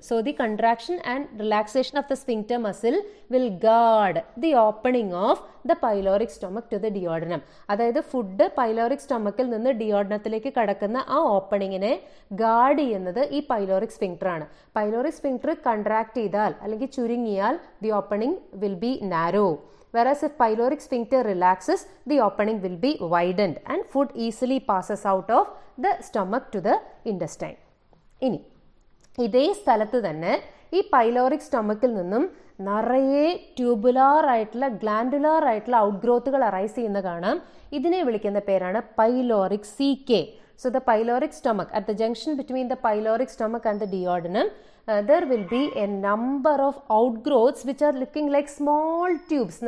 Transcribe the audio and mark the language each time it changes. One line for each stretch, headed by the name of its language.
English: So the contraction and relaxation of the sphincter muscle will guard the opening of the pyloric stomach to the duodenum.
Malayalam: അതായത് food pyloric സ്റ്റൊമക്കിൽ നിന്ന് ഡിയോഡനത്തിലേക്ക് കടക്കുന്ന ആ ഓപ്പണിങ്ങിനെ guard ചെയ്യുന്നത് ഈ pyloric സ്ഫിങ്ക്ടറാണ്. Pyloric സ്ഫിങ്ക്ടർ contract ചെയ്താൽ അല്ലെങ്കിൽ ചുരുങ്ങിയാൽ
English: The opening will be narrow. Whereas if pyloric sphincter relaxes, the opening will be widened and food easily passes out of the stomach to the intestine.
Malayalam: ഇനി ഇതേ സ്ഥലത്ത് തന്നെ ഈ പൈലോറിക് സ്റ്റൊമക്കിൽ നിന്നും നിറയെ ട്യൂബുലാർ ആയിട്ടുള്ള ഗ്ലാൻഡുലാർ ആയിട്ടുള്ള ഔട്ട് ഗ്രോത്തുകൾ അറൈസ് ചെയ്യുന്ന കാണാം. ഇതിനെ വിളിക്കുന്ന പേരാണ് pyloric C K.
English: So the pyloric stomach at the junction between the pyloric stomach and the duodenum there will be a number of outgrowths which are looking like small tubes.